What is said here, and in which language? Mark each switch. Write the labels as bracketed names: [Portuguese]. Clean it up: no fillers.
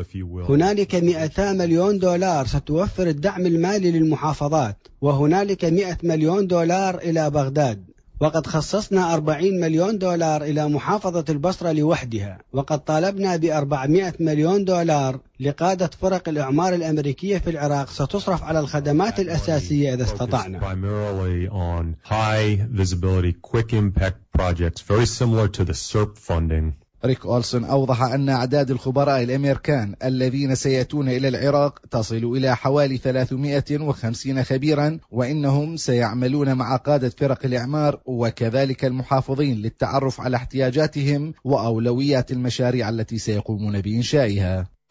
[Arabic] هنالك 200 مليون دولار ستوفر الدعم المالي للمحافظات، وهنالك 100 مليون دولار إلى بغداد، وقد خصصنا 40 مليون دولار إلى محافظة البصرة لوحدها، وقد طالبنا ب 400 مليون دولار لقادة فرق الإعمار الأمريكية في العراق ستصرف على الخدمات الأساسية إذا استطعنا. [English] Primarily on high visibility quick impact projects very similar to the SERP funding. [Arabic] ريك أولسن أوضح أن أعداد الخبراء الأمريكان الذين سيأتون إلى العراق تصل إلى حوالي 350 خبيرا، وإنهم سيعملون مع قادة فرق الإعمار وكذلك المحافظين للتعرف على احتياجاتهم وأولويات المشاريع التي سيقومون بإنشائها.